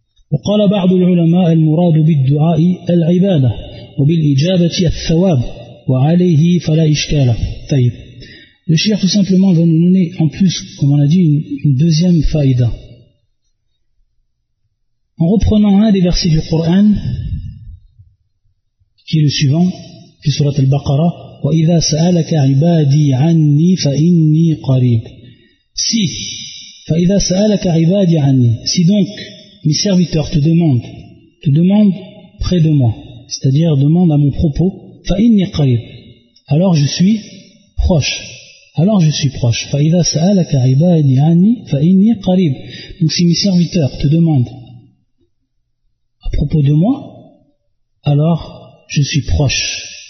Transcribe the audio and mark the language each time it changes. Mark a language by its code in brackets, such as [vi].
[ar] وقال بعض العلماء المراد بالدعاء العبادة وبالإجابة الثواب، وعليه فلا إشكال. [fr] طيب le cheikh tout simplement va nous donner en plus comme on a dit une deuxième faïda en reprenant un des versets du Coran qui est le suivant [ar] في سورة البقرة وإذا سألك عبادي عني فإني قريب. Si, فَإِذَا سَأَلَكَ عِبَادِ عَنِّي. [fr] Si donc mes serviteurs te demandent près de moi, c'est-à-dire demandent à mon propos, [ar] فَإِنِّي قَرِيب. [fr] Alors je suis proche. [ar] فَإِذَا سَأَلَكَ عِبَادِ عَنِّي فَإِنِّي قَرِيب. [fr] Donc si mes serviteurs te demandent à propos de moi, alors je suis proche.